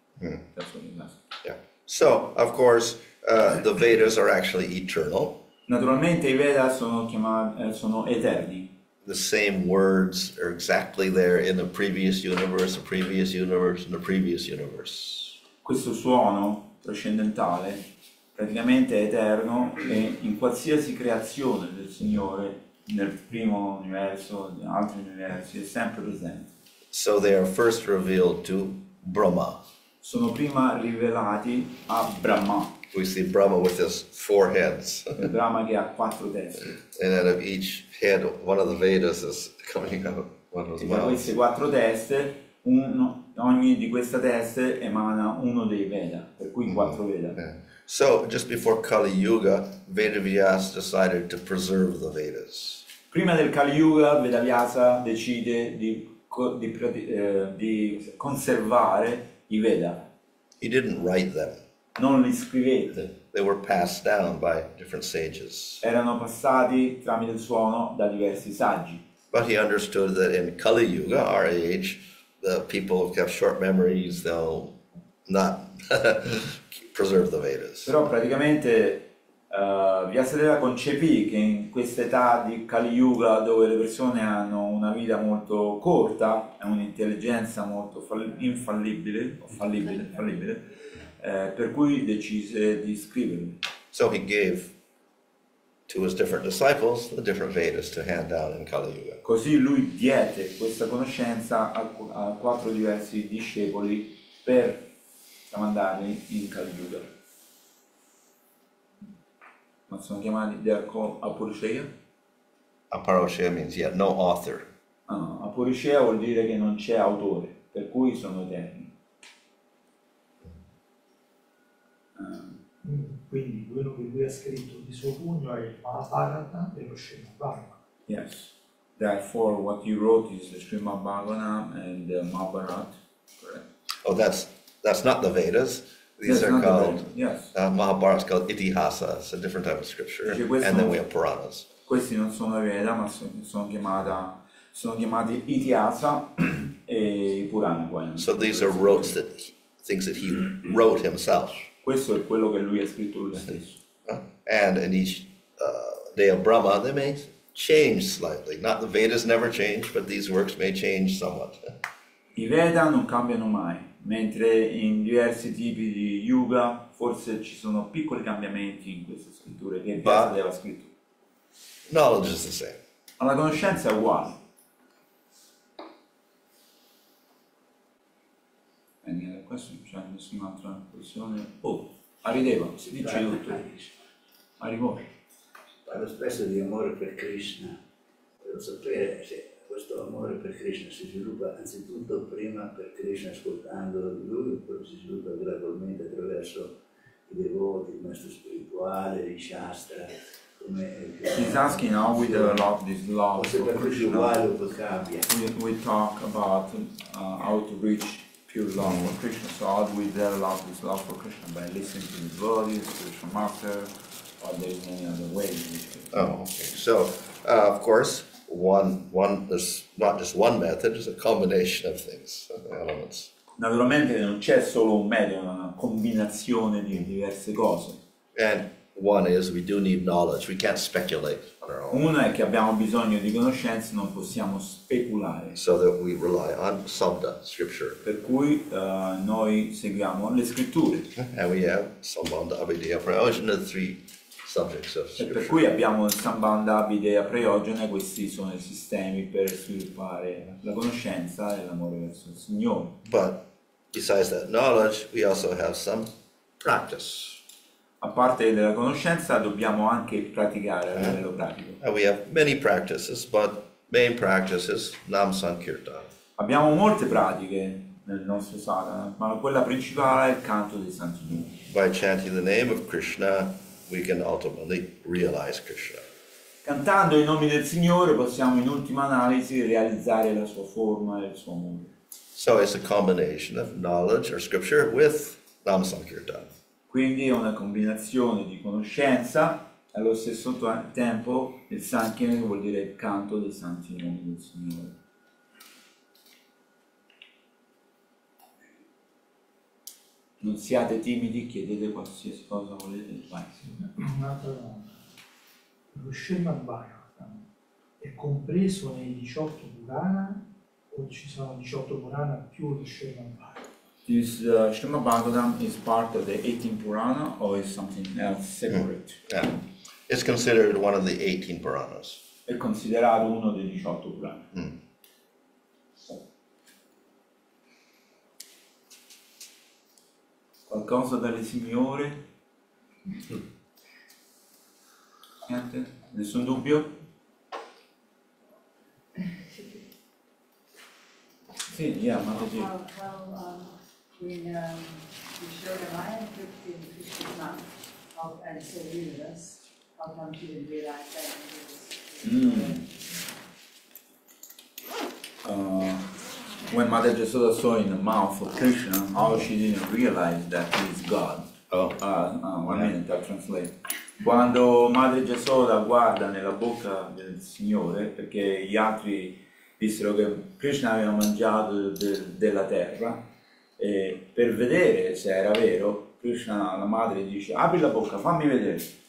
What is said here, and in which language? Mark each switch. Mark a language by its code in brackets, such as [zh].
[en] That's what he does. Yeah. So, of course, the Vedas are actually eternal. [it] Naturalmente i Veda sono eterni. [en] The same words are exactly there in the previous universe, the previous universe, and the previous universe. [it] Questo suono trascendentale praticamente è eterno e in qualsiasi creazione del Signore, nel primo universo, in altri universi, è sempre presente. [en] So they are first revealed to Brahma. [it] Sono prima rivelati a Brahma. [en] We see Brahma with his four heads. [it] Brahma che ha quattro teste. [en] And out of each head, one of the Vedas is coming out. One of the mouths. [it] Queste quattro teste, ogni di queste teste emana uno dei Veda, per cui quattro Veda. [en] Yeah. So, just before Kali Yuga, Vedavyasa decided to preserve the Vedas. [it] Prima del Kali Yuga, Vedavyasa decide di conservare i Veda. [en] He didn't write them. [it] Non li scrivete. [en] They were passed down by different sages. [it] Erano passati tramite il suono da diversi saggi. [en] But he understood that in Kali Yuga, our age, the people have short memories, they'll not preserve the Vedas. [it] Però praticamente Vyasadeva concepì che in questa età di Kali Yuga, dove le persone hanno una vita molto corta e un'intelligenza molto fallibile, per cui decise di scriverlo. [en] So he gave to his different disciples the different Vedas to hand down in Kali Yuga. [it] Così lui diede questa conoscenza a quattro diversi discepoli per tramandarli in Kali Yuga. Ma sono chiamati Apurusheya? [en] Apurusheya means yet no author. [it] Apurusheya vuol dire che non c'è autore, per cui sono eterni. Quindi quello che lui ha scritto di suo pugno è il Mahabharata e lo Srimad Bhagavatam. [en] Yes. Therefore what you wrote is the Srimad Bhagavatam and the Mahabharata. Oh, that's not the Vedas. These are called Mahabharata is called Itihasa, it's a different type of scripture. And then we have Puranas. [it] Questi non sono Veda, ma sono chiamati Itihasa e Purana. [en] So these are rotes that things that he wrote himself. [it] Questo è quello che lui ha scritto lui stesso. [en] And in each day of Brahma, they may change slightly. Not the Vedas never change, but these works may change somewhat. [it] I Veda non cambiano mai, mentre in diversi tipi di yoga forse ci sono piccoli cambiamenti in queste scritture che [en] But [it] Vyasa deva scritto. [en] knowledge is the same. [it] Ma la conoscenza è uguale. Questo non c'è nessun'altra questione. Oh, arrivo, si dice tutto. Arrivo. Parlo spesso di amore per Krishna. Devo sapere se questo amore per Krishna si sviluppa anzitutto prima per Krishna ascoltando lui, oppure si sviluppa gradualmente attraverso i devoti, il maestro spirituale, i Shastra. [en] He's asking how we develop this love for Krishna. We talk about how to reach pure love for Krishna. So how do we develop this love for Krishna? By listening to his body, spiritual master, or there is any other way? Oh, okay. So, of course, one is not just one method, it's a combination of things, of elements. [it] Naturalmente non c'è solo un metodo, una combinazione di diverse cose. [en] One is we do need knowledge. We can't speculate on our own. [it] Uno è che abbiamo bisogno di conoscenze, non possiamo speculare. [en] So that we rely on sabda, scripture. [it] Per cui noi seguiamo le scritture. [en] And we have sambandha, abhidhya, prayojana, the three subjects of scripture. [it] E per cui abbiamo sambandha, abhidhya, prayojana, questi sono i sistemi per sviluppare la conoscenza e l'amore verso il Signore. [en] But besides that knowledge, we also have some practice. [it] A parte della conoscenza, dobbiamo anche praticare a livello pratico. [en] And we have many practices, but main practice is Nam Sankirtan. [it] Abbiamo molte pratiche nel nostro sadhana, ma quella principale è il canto dei santi nomi. [en] By chanting the name of Krishna, we can ultimately realize Krishna. [it] Cantando i nomi del Signore, possiamo in ultima analisi realizzare la sua forma e il suo amore. [en] So it's a combination of knowledge or scripture with Nam Sankirtan. [it] Quindi è una combinazione di conoscenza e allo stesso tempo il Sankirtan vuol dire il canto dei santi nomi del Signore. Non siate timidi, chiedete qualsiasi cosa volete. Un'altra domanda. Lo Srimad Bhagavatam è compreso nei 18 Purana o ci sono 18 Purana più lo Srimad Bhagavatam? [en] This Srimad Bhagavatam is part of the 18 Purana or is something else separate? Yeah. It's considered one of the 18 Puranas. [it] È considerato uno dei 18 Purana. Mm. Qualcosa dalle signore? Niente? Nessun dubbio? Sì, yeah, ma così. [en] In Shoda Maya 15, Krishna of Ancient Universe, how come he didn't realize that he was. When Mother Jasoda saw in the mouth of Krishna, how she didn't realize that he is God. One minute, I'll translate. [it] Quando Madre Jasoda guarda nella bocca del Signore, perché gli altri dissero che Krishna aveva mangiato della terra. E per vedere se era vero, Krishna, la madre, dice: apri la bocca, fammi vedere.